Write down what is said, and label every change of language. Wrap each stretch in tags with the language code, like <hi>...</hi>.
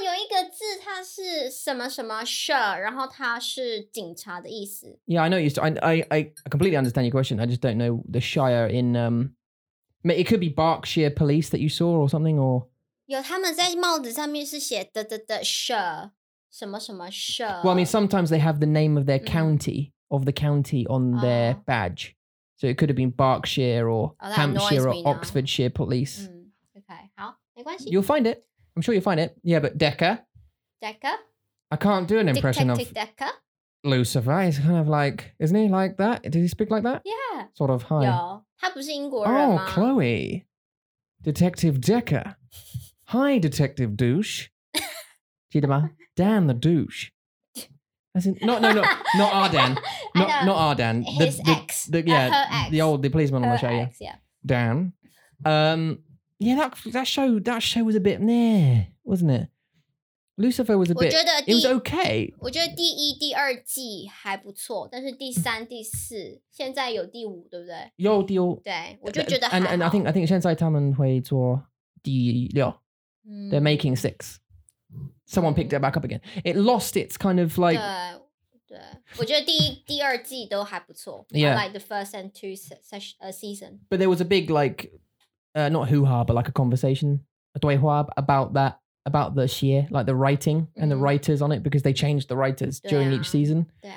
<zh>有啦，有一个字，它是什么什么 sure， 然后它是警察的意思。</zh> <en>Yeah, I know you. I completely understand your question. I just don't know the Shire in It could be Berkshire Police that you saw or something or.</en> <zh>有他们在帽子上面是写的 sure 什么什么 sure.</zh> <en>Well, I mean, sometimes they have the name of their county of the county on their badge, so it could have been Berkshire or Hampshire or Oxfordshire Police. Okay, you'll find it. I'm sure you'll find it. Yeah, but Decker. I can't do an impression Detective of Decker. Lucifer. He's kind of like, isn't he like that? Does he speak like that? Yeah. Sort of. Hi.</en> <zh>有，他不是英国人吗？</zh> <en>Oh, Chloe, Detective Decker. Hi, Detective Douche.</en> <zh>记得吗?</zh> <en>Dan the Douche. As in, not our Dan. Not our Dan. His ex. Her ex. The policeman on the show. Ex, yeah. Dan. That show was a bit meh, wasn't it? Lucifer was a bit, it was okay.</en> <zh>我觉得第一、第二季还不错，但是第三、第四，现在有第五，对不对？有第五。对，我就觉得还好。</zh> <en>And I think</en> <zh>现在他们会做第六。</zh> <en>They're making six. Someone picked it back up again. It lost its kind of like...</en> <zh>对，我觉得第二季都还不错。</zh> <en>Yeah. Like the first and two season. But there was a big like, not hoo-ha, but like a conversation, a 对话 about that. About the sheer, like the writing and the writers on it, because they changed the writers during each season.</en>